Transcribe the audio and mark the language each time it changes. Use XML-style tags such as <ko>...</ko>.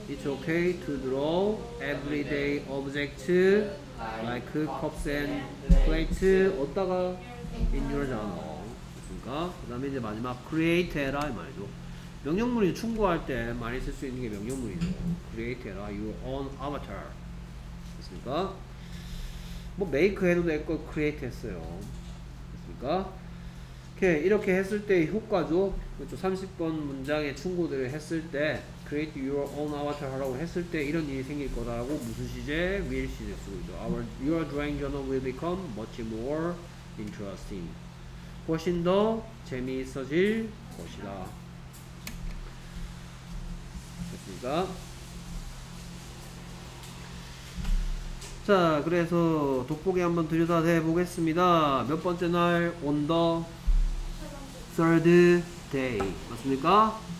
<en>It's okay to draw everyday objects like cups and plates</en> <ko>어디다가?</ko> <en>In your journal.</en> <ko>그 다음에 이제 마지막 create라 이 말이죠. 명령문이 충고할 때 많이 쓸 수 있는 게 명령문이죠.</ko> <en>Create your own avatar.</en> <ko>됐습니까? 뭐 make 해도 될 걸 create 했어요. 됐습니까? 이렇게, 이렇게 했을 때 효과죠. 그렇죠? 30번 문장의 충고들을 했을 때</ko> <en>create your own avatar</en> <ko>하라고 했을 때 이런 일이 생길 거라고 무슨 시제? Will 시제 쓰고 있죠.</ko> <en>Your drawing journal will become much more interesting.</en> <ko>훨씬 더 재미있어질 것이다. 자, 그래서 돋보기 한번 들여다 해보겠습니다. 몇 번째 날?</ko> <en>On the third day.</en> <ko>맞습니까?</ko>